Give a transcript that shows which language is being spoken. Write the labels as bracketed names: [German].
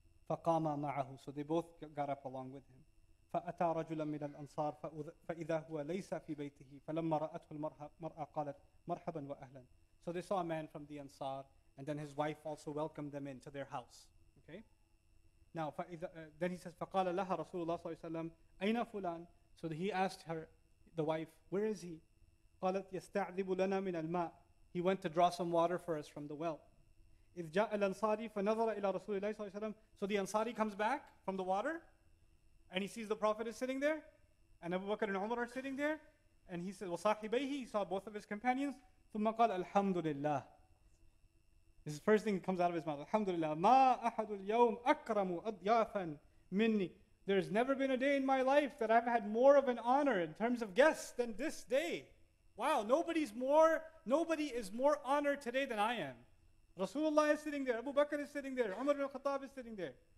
[Arabic] فَقَامَ مَعَهُ. [English] So they both got up along with him. [Arabic] فَأَتَى رَجُلًا مِنَ الْأَنصَارِ فَإِذَا هُوَ لَيْسَ فِي بَيْتِهِ فَلَمَّا رَأَتْهُ الْمَرْأَةُ قَالَتْ مَرْحَبًا وَأَهْلًا. [English] So they saw a man from the Ansar, and then his wife also welcomed them into their house. Okay. Now, then he says, [Arabic] فَقَالَ لَهَا رَسُولُ اللَّهِ صَلَّى اللَّهُ عَلَيْهِ وَسَلَّمَ أَيْنَ فُلَانٌ. [English] So he asked her, the wife, where is he? [Arabic] قَالَتْ يَسْتَعْذِبُ لَنَا مِنَ الْمَاءِ. [English] He went to draw some water for us from the well. [Arabic] إِذْ جَاءَ الْأَنصَارِ فَنَظَرَ إِلَى رَسُولِ اللَّهِ صَلَّى اللَّهُ عَلَيْهِ وَسَلَّمَ. [English] So the Ansari comes back from the water, and he sees the Prophet is sitting there, and Abu Bakr and Umar are sitting there, and he said, [Arabic] وَصَاحِبَيْهِ. [English] He saw both of his companions. [Arabic] ثُمَّ قَالَ الْحَمْدُ لِلَّهِ. [English] This is the first thing that comes out of his mouth. [Arabic] Alhamdulillah. مَا أَحَدُ الْيَوْمِ أَكْرَمُ أَضْيَافًا مِنِّي. [English] There's never been a day in my life that I've had more of an honor in terms of guests than this day. Wow, nobody is more honored today than I am. Rasulullah is sitting there, Abu Bakr is sitting there, Umar ibn al-Khattab is sitting there.